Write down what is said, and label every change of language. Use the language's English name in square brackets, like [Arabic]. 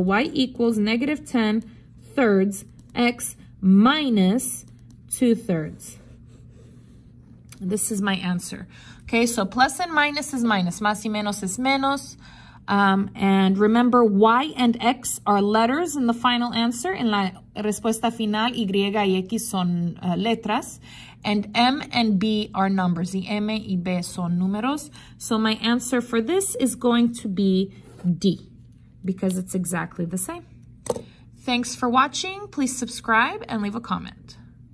[English] So y equals negative 10/3, x minus 2/3. This is my answer. Okay, so plus and minus is minus. [Spanish] Más y menos es menos. [English] And remember, y and x are letters in the final answer. [Spanish] En la respuesta final, y y x son letras. [English] And m and b are numbers. [Spanish] Y m y b son números. [English] So my answer for this is going to be D, because it's exactly the same. Thanks for watching. Please subscribe and leave a comment.